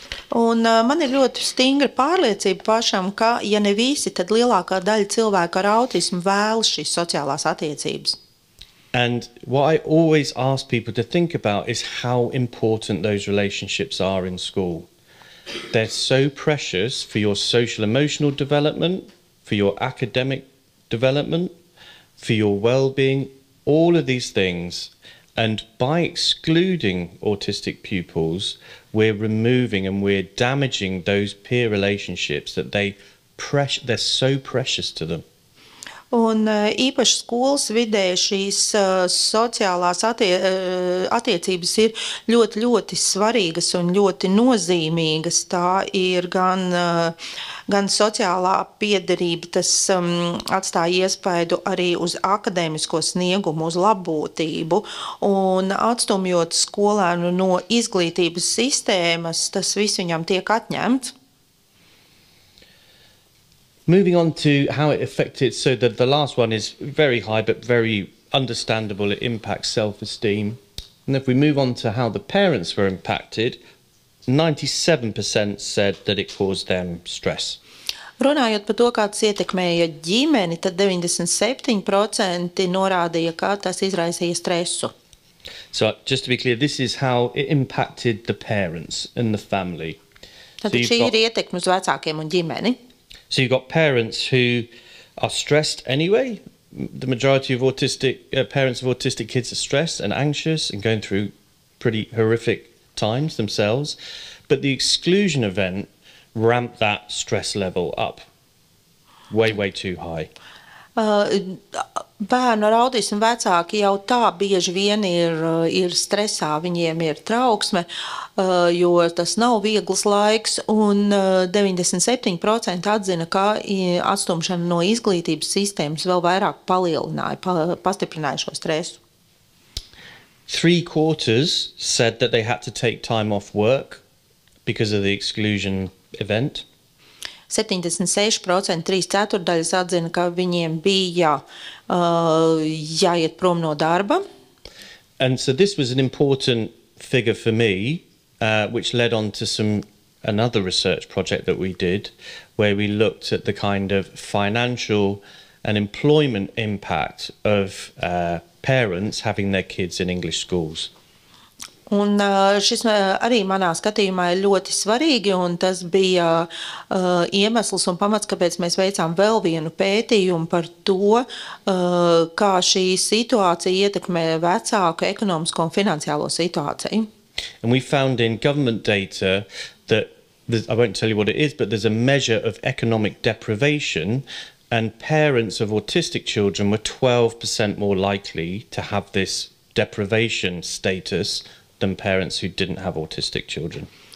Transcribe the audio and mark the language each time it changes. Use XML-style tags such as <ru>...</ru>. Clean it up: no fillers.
<lv>Un man ir ļoti stingra pārliecība pašam, ka ja ne visi, tad lielākā daļa cilvēku ar autismu vēlas šīs sociālās attiecības.</lv> <en>And what I always ask people to think about is how important those relationships are in school. They're so precious for your social emotional development, for your academic development, for your well-being, all of these things. And by excluding autistic pupils, we're removing and we're damaging those peer relationships that they're so precious to them.</en> <lv>Un īpaši skolas vidē šīs sociālās attiecības ir ļoti, ļoti svarīgas un ļoti nozīmīgas. Tā ir gan sociālā piederība, tas atstāja iespaidu arī uz akadēmisko sniegumu, uz labbūtību. Un atstumjot skolēnu no izglītības sistēmas, tas viss viņam tiek atņemts.</lv> <en>Moving on to how it affected, so the last one is very high, but very understandable, it impacts self-esteem. And if we move on to how the parents were impacted, 97% said that it caused them stress.</en> <lv>Runājot par to, kā tas ietekmēja ģimeni, tad 97% norādīja, kā tas izraisīja stresu.</lv> <en>So just to be clear, this is how it impacted the parents and the family.</en> <lv>Tātad šī ir ietekme uz vecākiem un ģimeni.</lv> <en>So you've got parents who are stressed anyway. The majority of parents of autistic kids are stressed and anxious and going through pretty horrific times themselves. But the exclusion event ramped that stress level up way, way too high.</en> <lv>Bērnu ar autismu vecāki jau tā bieži vien ir stresā, viņiem ir trauksme, jo tas nav viegls laiks, un 97% atzina, ka atstumšana no izglītības sistēmas vēl vairāk pastiprināja šo stresu.</lv> <en>Three quarters said that they had to take time off work because of the exclusion event.</en> <lv>76%, 3/4 atzina, ka viņiem bija jāiet prom no darba.</lv> <en>And so this was an important figure for me, which led on to another research project that we did, where we looked at the kind of financial and employment impact of parents having their kids in English schools.</en> <lv>Un šis arī manā skatījumā ir ļoti svarīgi, un tas bija iemesls un pamats, kāpēc mēs veicām vēl vienu pētījumu par to, kā šī situācija ietekmē vecāku ekonomisko un finansiālo situāciju.</lv> <en>And we found in government data that I won't tell you what it is, but there's a measure of economic deprivation, and parents of autistic children were 12% more likely to have this deprivation status than parents who didn't have autistic children.</en>